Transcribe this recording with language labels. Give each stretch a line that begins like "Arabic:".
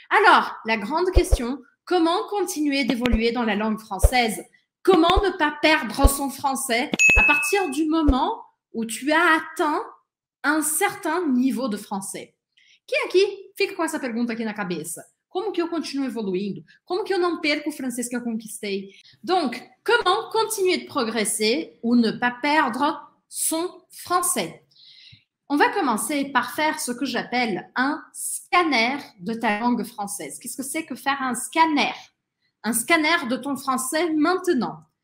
French: Alors, la grande question, comment continuer d'évoluer dans la langue française? Comment ne pas perdre son français à partir du moment où tu as atteint un certain niveau de français? Qui est qui?
Portuguese: Fica com essa pergunta aqui na cabeça. Como que eu continuo evoluindo? Como que eu não perco o francês que eu conquistei?
French: Donc, comment continuer de progresser ou ne pas perdre son français? On va commencer par faire ce que j'appelle un scanner de ta langue française. Qu'est-ce que c'est que faire un scanner? Un scanner de ton français maintenant.